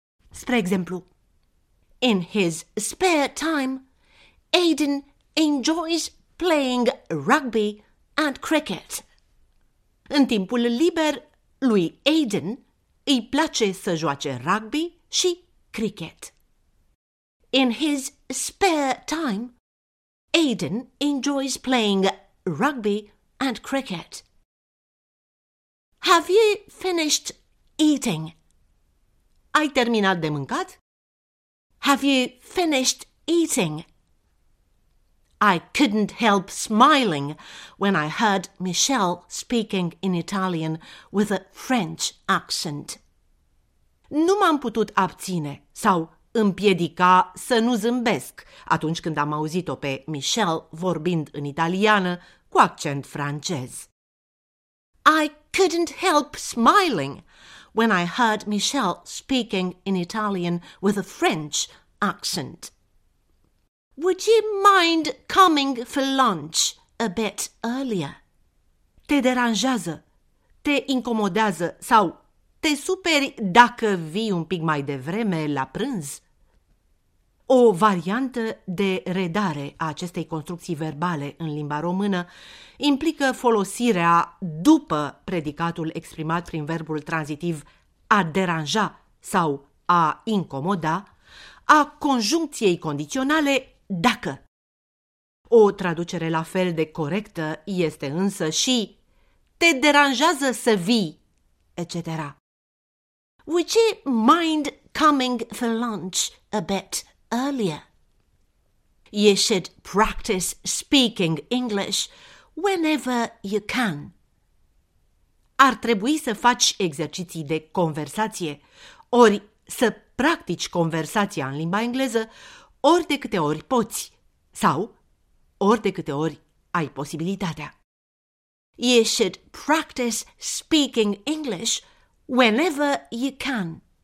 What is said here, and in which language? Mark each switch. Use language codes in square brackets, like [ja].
[ro] Spre exemplu, [en] in his spare time, Aiden enjoys playing rugby and cricket. [ro] În timpul liber, lui Aiden îi place să joace rugby și cricket. [en] In his spare time, Aidan enjoys playing rugby and cricket. Have you finished eating? [ro] Ai terminat de mâncat? [en] Have you finished eating? I couldn't help smiling when I heard Michelle speaking in Italian with a French accent. [ro] Nu m-am putut abține sau împiedica să nu zâmbesc atunci când am auzit-o pe Michelle vorbind în italiană cu accent francez. [en] I couldn't help smiling when I heard Michelle speaking in Italian with a French accent. Would you mind coming for lunch a bit earlier? [ro] Te deranjează, te incomodează sau te superi dacă vii un pic mai devreme la prânz? O variantă de redare a acestei construcții verbale în limba română implică folosirea după predicatul exprimat prin verbul tranzitiv a deranja sau a incomoda a conjuncției condiționale dacă. O traducere la fel de corectă este însă și te deranjează să vii, etc. [en] Would you mind coming for lunch a bit earlier? You should practice speaking English whenever you can. [ro] Ar trebui să faci exerciții de conversație, ori să practici conversația în limba engleză ori de câte ori poți, sau ori de câte ori ai posibilitatea. [en] You should practice speaking English whenever you can.